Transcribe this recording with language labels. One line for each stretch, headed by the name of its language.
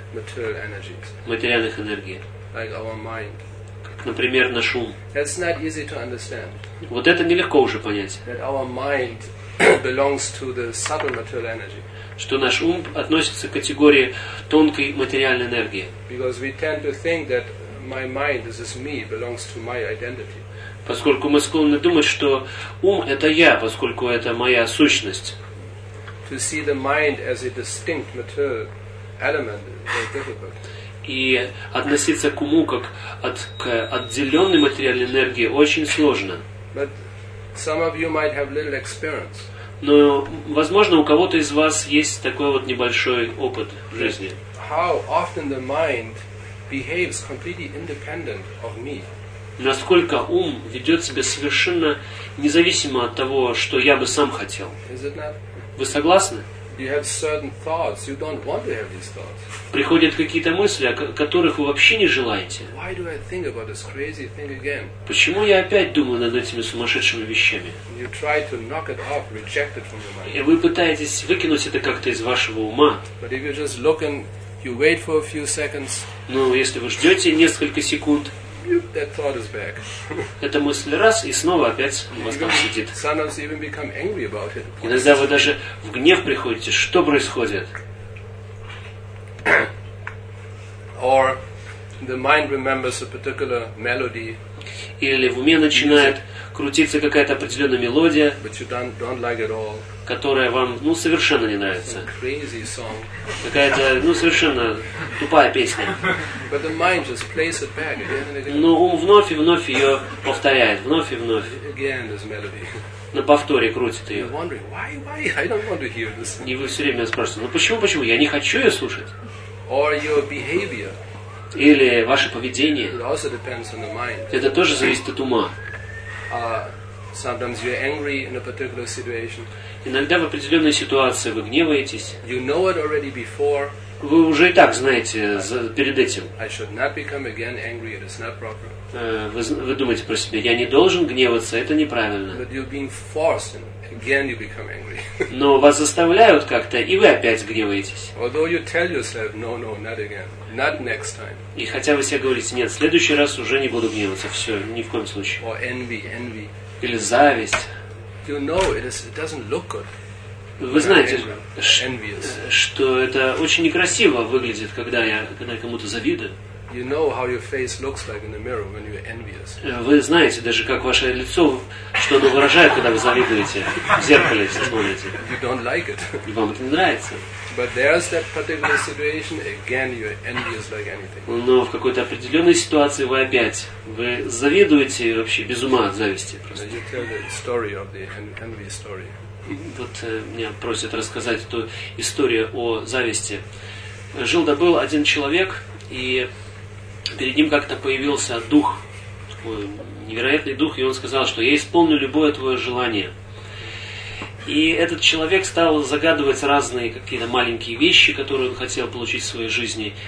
English: Material energies.
Russian: Материальных энергий.
English: Like our mind.
Russian: Например, наш ум.
English: That's not easy to understand.
Russian: Вот это нелегко уже понять.
English: That our mind belongs to the subtle material energy.
Russian: Что наш ум относится к категории тонкой материальной энергии.
English: Because we tend to think that my mind, this is me, belongs to my identity.
Russian: Поскольку мы склонны думать, что ум – это я, поскольку это моя сущность.
English: To see the mind as a distinct material element is very difficult.
Russian: И относиться к уму как к отделенной материальной энергии очень сложно.
English: But some of you might have little experience.
Russian: Но, возможно, у кого-то из вас есть такой вот небольшой опыт в жизни.
English: How often the mind behaves completely independent of me.
Russian: Насколько ум ведет себя совершенно независимо от того, что я бы сам хотел.
English: Is it not?
Russian: Вы согласны?
English: You have certain thoughts. You don't want to have these thoughts.
Russian: Приходят какие-то мысли, о которых вы вообще не желаете.
English: Why do I think about this crazy thing again?
Russian: Почему я опять думаю над этими сумасшедшими вещами?
English: You try to knock it off, reject it from your mind.
Russian: И вы пытаетесь выкинуть это как-то из вашего ума.
English: But if you're just looking, you wait for a few seconds.
Russian: Ну, если вы ждете несколько секунд.
English: That thought is back.
Russian: Эта мысль раз и снова опять у вас там сидит.
English: Sometimes you even become angry about it.
Russian: Иногда вы даже в гнев приходите. Что происходит?
English: Or the mind remembers a particular melody.
Russian: Или в уме начинает крутиться какая-то определенная мелодия.
English: But you don't like it all.
Russian: Которая вам, ну, совершенно не нравится.
English: Crazy song.
Russian: Какая-то, ну, совершенно тупая песня.
English: But the mind just plays it back again and again.
Russian: Но ум вновь и вновь ее повторяет, вновь и вновь.
English: Again this melody.
Russian: На повторе крутит ее.
English: You're wondering, why? I don't want to hear this.
Russian: И вы все время спрашиваете, ну почему? Я не хочу ее слушать.
English: Or your behavior.
Russian: Или ваше поведение.
English: It also depends on the mind.
Russian: Это тоже зависит от ума.
English: Sometimes you're angry in a particular situation.
Russian: Иногда в определенной ситуации вы гневаетесь.
English: You know it already before.
Russian: Вы уже и так знаете перед этим.
English: I should not become again angry. It is not proper.
Russian: Вы думаете про себя: я не должен гневаться, это неправильно.
English: But you're being forced, and again you become angry.
Russian: Но вас заставляют как-то, и вы опять гневаетесь.
English: Although you tell yourself, no, not again, not next time.
Russian: И хотя вы себе говорите: нет, в следующий раз уже не буду гневаться, все, ни в коем случае.
English: Or envy.
Russian: Или зависть.
English: You know, it doesn't look good.
Russian: Вы знаете, что это очень некрасиво выглядит, когда я кому-то завидую.
English: You know how your face looks like in the mirror when you're envious.
Russian: Вы знаете даже, как ваше лицо, что оно выражает, когда вы завидуете, в зеркале смотрите.
English: You don't like it.
Russian: И вам это не нравится.
English: But there's that particular situation again. You're envious like anything.
Russian: Но в какой-то определенной ситуации вы опять завидуете вообще без ума от зависти просто.
English: You tell the story of the envy story.
Russian: Вот меня просят рассказать эту историю о зависти. Жил да был один человек, и перед ним как-то появился дух, такой невероятный дух, и он сказал, что я исполню любое твое желание. И этот человек стал загадывать разные какие-то маленькие вещи, которые он хотел получить в своей жизни.